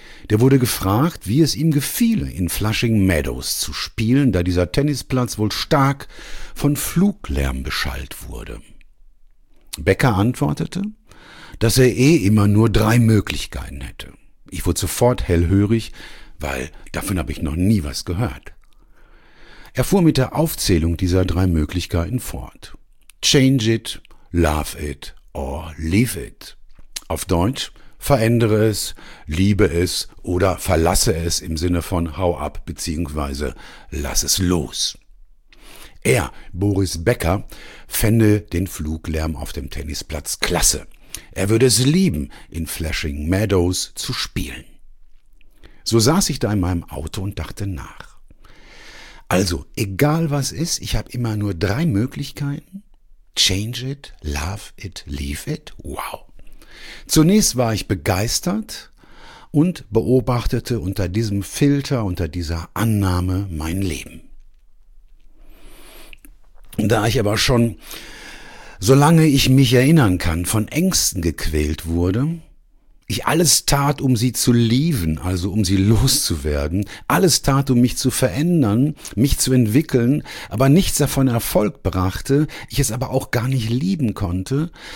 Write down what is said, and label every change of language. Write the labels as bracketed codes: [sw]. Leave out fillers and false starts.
[de] Der wurde gefragt, wie es ihm gefiele, in Flushing Meadows zu spielen, da dieser Tennisplatz wohl stark von Fluglärm beschallt wurde. Becker antwortete, dass er immer nur drei Möglichkeiten hätte. Ich wurde sofort hellhörig, weil davon habe ich noch nie was gehört. Er fuhr mit der Aufzählung dieser drei Möglichkeiten fort. [en] Change it, love it or leave it. [de] Auf Deutsch, verändere es, liebe es oder verlasse es im Sinne von hau ab bzw. lass es los. Er, Boris Becker, fände den Fluglärm auf dem Tennisplatz klasse. Er würde es lieben, in Flushing Meadows zu spielen. So saß ich da in meinem Auto und dachte nach. Also, egal was ist, ich habe immer nur drei Möglichkeiten. [en] Change it, love it, leave it. [de] Wow. Zunächst war ich begeistert und beobachtete unter diesem Filter, unter dieser Annahme mein Leben. Da ich aber schon, solange ich mich erinnern kann, von Ängsten gequält wurde, ich alles tat, um sie zu lieben, also um sie loszuwerden, alles tat, um mich zu verändern, mich zu entwickeln, aber nichts davon Erfolg brachte, ich es aber auch gar nicht lieben konnte,